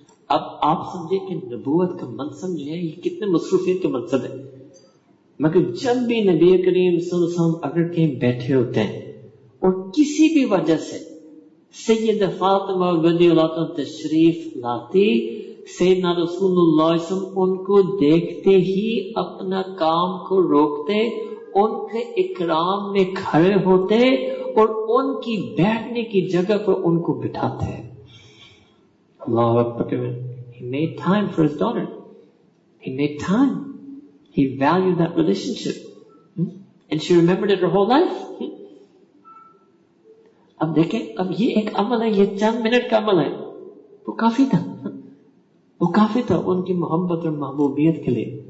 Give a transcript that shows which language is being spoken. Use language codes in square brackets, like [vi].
[hi] अब आप समझे कि नबूवत का मंसब जो है ये कितने मसरूफियत के मंसब है, मगर जब भी नबी करीम सल्लम अगर कहीं बैठे होते हैं और किसी भी वजह से सैयद फातिमा गदी तशरीफ लाती, सैयदना रसूलुल्लाह सल्लम उनको देखते ही अपना काम को रोकते, उनके इकराम में खड़े होते और उनकी बैठने की जगह पर उनको बिठाते। [en] अल्लाह अकबर, he made time for his daughter, he made time, he valued that relationship, and she remembered it her whole life. [hi] अब देखें, अब ये एक अमल है, ये चंद मिनट का अमल है, वो काफी था, वो काफी था उनकी मोहब्बत और महबूबियत के लिए।